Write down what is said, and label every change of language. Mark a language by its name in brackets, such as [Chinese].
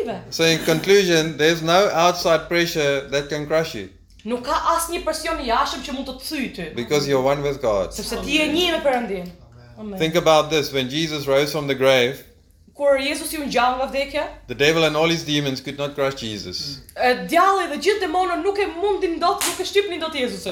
[English] So in conclusion, there's no outside pressure that can crush you. [Albanian] Nuk ka asnjë presion I jashtëm që mund të thyjë ty. [English] Because you're one with God. [Albanian] Sepse ti je një me Perëndin. [English] Think about this, when Jesus rose from the grave, [Albanian] Kur Jezusi u ngjall nga vdekja, [English] the devil and all his demons could not crush Jesus. [Albanian] Djalli dhe gjithë demonët nuk e mundin dot, nuk e shtypnin dot Jezusin.